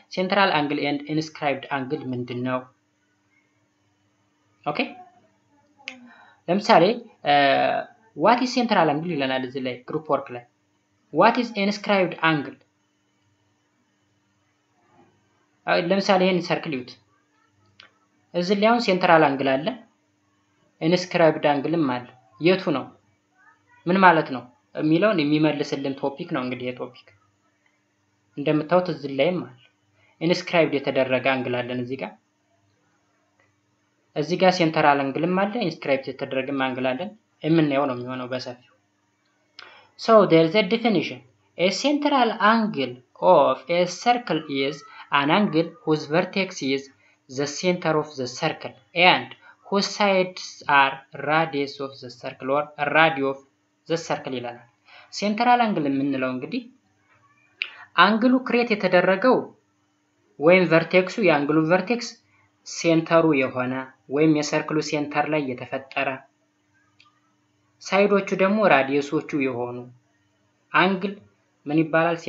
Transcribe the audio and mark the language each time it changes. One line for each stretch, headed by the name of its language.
English: Central angle and inscribed angle ምንድን ነው? Okay? ለምሳሌ, what is central angle
Amharic: ይላል እዚህ ላይ
English: group work ላይ? What is inscribed angle?
Amharic: ለምሳሌ ይሄን ሰርክል ይዩት። እዚህ ላይ አሁን central angle አለ? Inscribed angleም አለ። የቱ ነው? ምን ማለት ነው? የሚለውን የሚመልስልን ቶፒክ ነው እንግዲህ የቶፒክ እንደምታውቁት እዚህ ላይም አለ ኢንስክራይብድ የተደረገ አንግል አለን እዚህ ጋር ሴንተራል አንግልም አለ ኢንስክራይብድ የተደረገ አንግል አለን እምን ነው የሚሆነው በሰፊው
English: So there's a definition. A central angle of a circle is an angle whose vertex is the center of the circle and whose sides are radius of the circle or radius of the circle ይላል.
Amharic: Central angle የምንለው እንግዲህ አንግሉ ክሬት የተደረገው ወይም ቨርቴክሱ የአንግሉ ቨርቴክስ ሴንተሩ የሆነ ወይም የሰርክሉ ሴንተር ላይ የተፈጠረ ሳይዶቹ ደግሞ ራዲየሶቹ የሆኑ አንግል ምን ይባላል?